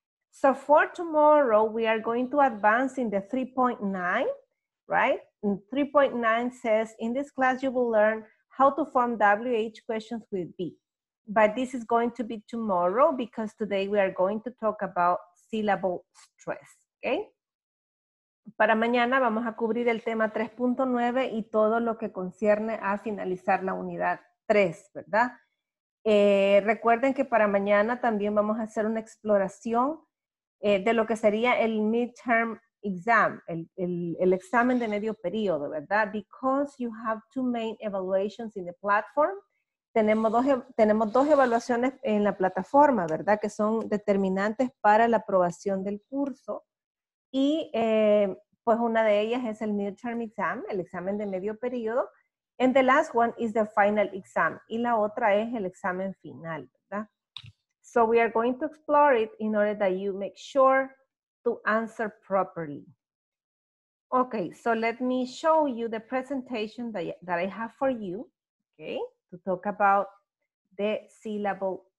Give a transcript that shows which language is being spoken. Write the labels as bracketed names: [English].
[English] So for tomorrow, we are going to advance in the 3.9, right? And 3.9 says, in this class, you will learn how to form WH questions with B. But this is going to be tomorrow because today we are going to talk about syllable stress, okay? [Spanish] Para mañana vamos a cubrir el tema 3.9 y todo lo que concierne a finalizar la unidad 3, ¿verdad? Recuerden que para mañana también vamos a hacer una exploración de lo que sería el midterm exam, el examen de medio periodo, ¿verdad? [English] Because you have two main evaluations in the platform. [Spanish] Tenemos dos evaluaciones en la plataforma, ¿verdad? Que son determinantes para la aprobación del curso. Y pues una de ellas es el midterm exam, el examen de medio periodo. [English] And the last one is the final exam. [Spanish] Y la otra es el examen final, ¿verdad? [English] So we are going to explore it in order that you make sure to answer properly. Okay, so let me show you the presentation that I have for you, okay? To talk about the syllable